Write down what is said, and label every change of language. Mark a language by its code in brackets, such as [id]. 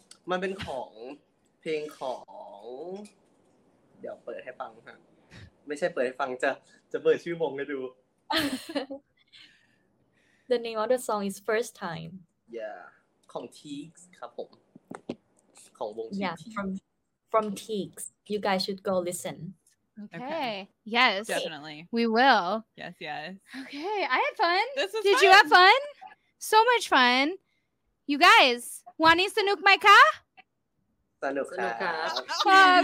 [th] มันเป็นของเพลงของเดี๋ยวเปิดให้ฟังฮะไม่ใช่เปิดให้ฟังจะเปิดชื่อวงให้ดู [en] The name of the song is First Time [th] Yeah ของ Teeks ครับผมของวง [en] Yeah from Teeks you guys should go listen Okay. Yes definitely we will yes Okay I had fun did you have fun so much fun. You guys, [th] wani sanuk mai ka? Sanuk ka.